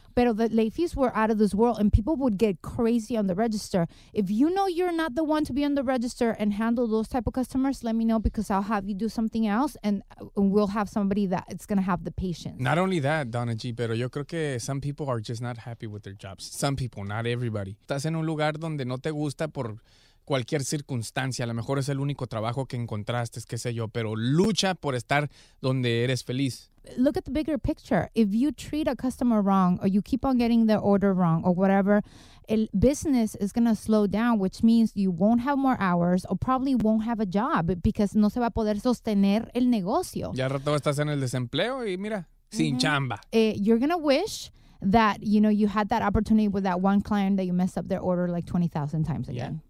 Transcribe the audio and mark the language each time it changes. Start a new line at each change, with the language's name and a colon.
English: But the late fees were out of this world, and people would get crazy on the register. If you know you're not the one to be on the register and handle those type of customers, let me know because I'll have you do something else, and we'll have somebody that it's going to have the patience. Not only that, Donna G,
Spanish: pero yo creo que
English: some people are just not happy with their jobs. Some people, not everybody.
Spanish: Estás en un lugar donde no te gusta por cualquier circunstancia. A lo mejor es el único trabajo que encontraste, qué sé yo, pero lucha por estar donde eres feliz.
English: Look at the bigger picture. If you treat a customer wrong or you keep on getting their order wrong or whatever, business is going to slow down, which means you won't have more hours or probably won't have a job because
Spanish: no se va a poder sostener el negocio. Ya rato estás en el desempleo y mira, sin chamba.
English: You're going to wish that, you know, you had that opportunity with that one client that you messed up their order like 20,000 times again.